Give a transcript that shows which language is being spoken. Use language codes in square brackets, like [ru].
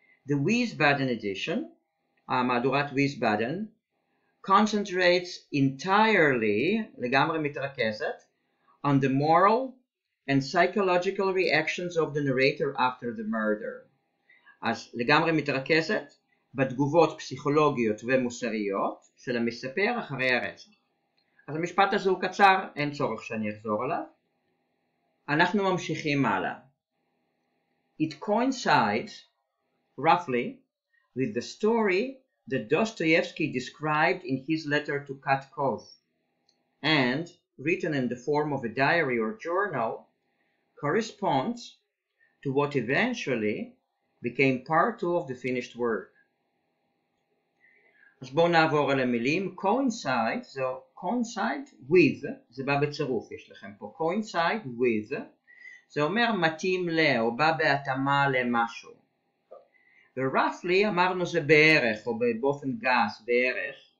[en] The Wiesbaden edition, [he] המהדורת Wiesbaden, [en] concentrates entirely, [he] לגמרי מתרכזת, [en] on the moral and psychological reactions of the narrator after the murder. [he] אז לגמרי מתרכזת בתגובות פסיכולוגיות ומוסריות של המספר אחרי הרצח. אז המשפט הזה הוא קצר, אין צורך שאני אחזור עליו. אנחנו ממשיכים הלאה. [en] It coincides roughly with the story that Dostoevsky described in his letter to Katkov and written in the form of a diary or journal corresponds to what eventually became part 2 of the finished work. [he] אז בואו נעבור על המילים. Coincides, [en] so coincide with, [he] זה בא בצירוף, יש לכם פה. Coincide with, זה אומר מתאים ל, או בא בהתאמה למשהו. ו-roughly, אמרנו זה בערך, או באופן גס, בערך.